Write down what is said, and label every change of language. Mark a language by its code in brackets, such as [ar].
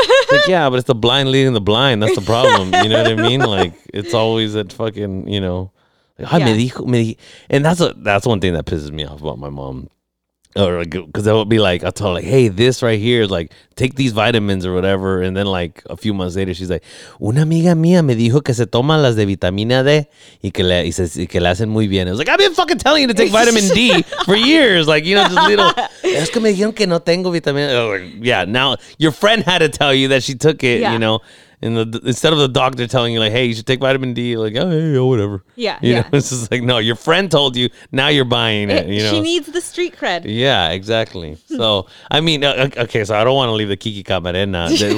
[en] Like, yeah, but it's the blind leading the blind. That's the problem. You know what I mean? Like, it's always that fucking, you know. Like, yeah. And that's one thing that pisses me off about my mom. Or because I would be like, I told her, like, hey, this right here is like, take these vitamins or whatever. And then like a few months later, she's like, [es] una amiga mía me dijo que se toma las de vitamina D y que le hacen muy bien. [en] I was like, I've been fucking telling you to take vitamin D for years. Like, you know, just little. [es] Es que me dijeron que no tengo vitamina. [en] Yeah. Now your friend had to tell you that she took it, yeah. You know, and instead of the doctor telling you like, hey, you should take vitamin D, like, oh, hey, oh, whatever. Yeah. You know, it's just like, no, your friend told you, now you're buying it, you know. She needs the street cred. Yeah, exactly. So, I mean, okay, so I don't want to leave the Kiki Camarena.